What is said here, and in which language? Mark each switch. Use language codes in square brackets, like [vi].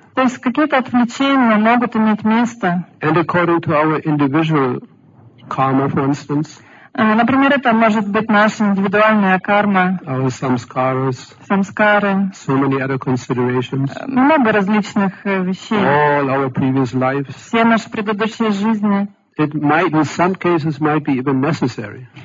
[ru] То есть какие-то отвлечения могут иметь место. [en] And according to our individual karma, for instance. [ru] Например, это может быть наша индивидуальная карма. [en] Our samskaras. [ru] Samskara. [en] So many other considerations. [ru] Много различных вещей. [en] All our previous lives. [ru] Все наши предыдущие жизни. [en] It might, in some cases, might be even necessary.